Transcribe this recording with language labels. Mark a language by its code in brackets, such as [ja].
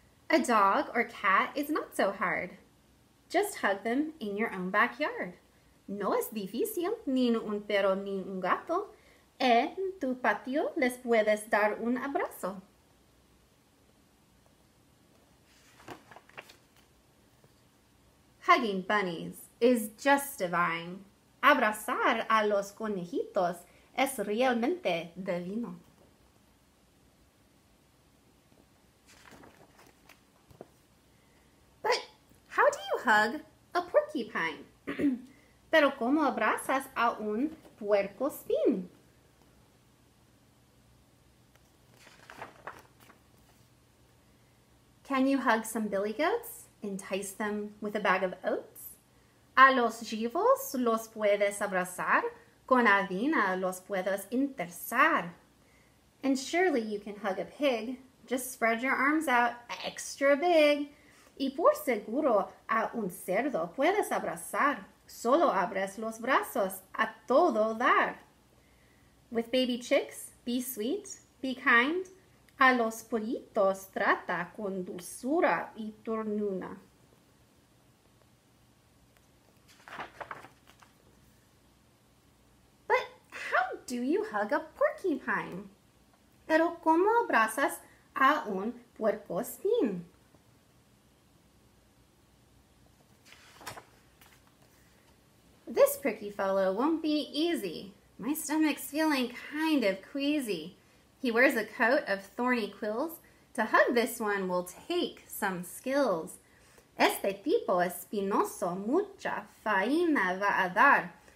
[en] A dog or cat is not so hard. Just hug them in your own backyard. [es] No es difícil, ni un perro ni un gato. En tu patio les puedes dar un abrazo. [en] Hugging bunnies is just divine. [es] Abrazar a los conejitos es realmente divino. [en] But how do you hug a porcupine? [es] Pero cómo abrazas a un puercoespín? [en] Can you hug some billy goats? Entice them with a bag of oats? [es] A los chivos los puedes abrazar, con avena los puedes interesar. [en] And surely you can hug a pig, just spread your arms out extra big. [es] Y por seguro a un cerdo puedes abrazar, solo abres los brazos a todo dar. [en] With baby chicks, be sweet, be kind. [es] A los pollitos trata con dulzura y ternura. [en] But how do you hug a porcupine? [es] Pero cómo abrazas a un puercoespín? [en] This pricky fellow won't be easy. My stomach's feeling kind of queasy. He wears a coat of thorny quills. To hug this one will take some skills. [es] Este tipo espinoso mucha faena va a dar.